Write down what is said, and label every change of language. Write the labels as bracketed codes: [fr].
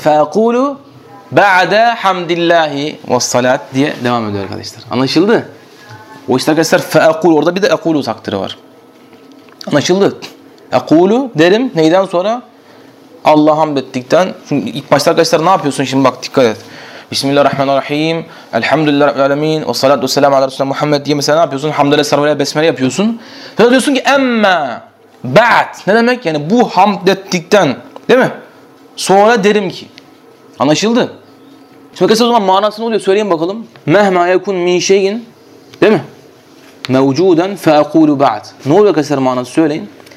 [ar] Fe'ekulu ba'de hamdillahi ve salat [tr] diye devam ediyor arkadaşlar. Anlaşıldı. O işte arkadaşlar fe'ekulu orada bir de ekulu takdiri var. Anlaşıldı. Ekulu derim neyden sonra? Allah'a hamd ettikten. Çünkü ilk başta arkadaşlar ne yapıyorsun şimdi bak dikkat et. [ar] بسم الله الرحمن الرحيم الحمد لله رب العالمين والصلاة والسلام على رسول الله محمد [tr] diye mesela ne yapıyorsun? Hamdele sarvaya besmele yapıyorsun. Sonra diyorsun ki emme ba'd. Ne demek? Yani bu hamd ettikten, değil mi? Sonra derim ki. Anlaşıldı. Şimdi bakarsanız o zaman manası ne oluyor? Söyleyeyim bakalım. [ar] Mehma yekun min şeyin, [tr] değil mi? [ar] Mevcuden fe ekulu ba'd. [tr] Ne oluyor arkadaşlar manası söyleyin.